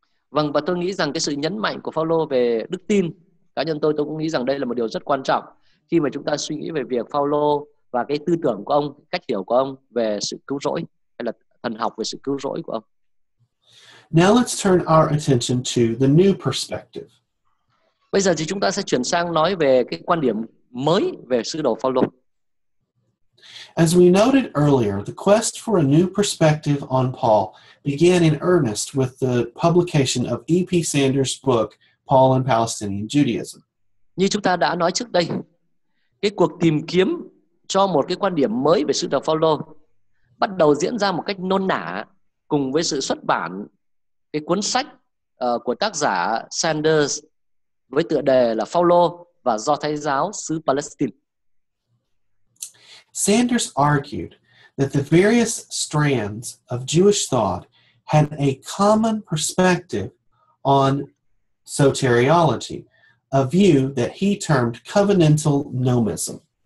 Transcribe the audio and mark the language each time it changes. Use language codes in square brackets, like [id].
[vi] Vâng, và tôi nghĩ rằng cái sự nhấn mạnh của Phao-lô về đức tin, cá nhân tôi cũng nghĩ rằng đây là một điều rất quan trọng khi mà chúng ta suy nghĩ về việc Phao-lô và cái tư tưởng của ông, cách hiểu của ông về sự cứu rỗi, hay là thần học về sự cứu rỗi của ông. [en] Now let's turn our attention to the new perspective. [vi] Bây giờ thì chúng ta sẽ chuyển sang nói về cái quan điểm mới về sứ đồ Phao-lô. [en] As we noted earlier, the quest for a new perspective on Paul began in earnest with the publication of E.P. Sanders' book, Paul and Palestinian Judaism. [vi] Như chúng ta đã nói trước đây, cái cuộc tìm kiếm cho một cái quan điểm mới về sứ đồ Phao-lô bắt đầu diễn ra một cách nôn nả cùng với sự xuất bản cái cuốn sách của tác giả Sanders với tựa đề là Phao-lô và Do Thái giáo xứ Palestine. [en] Sanders argued that the various strands of Jewish thought had a common perspective on soteriology, a view that he termed covenantal gnomism.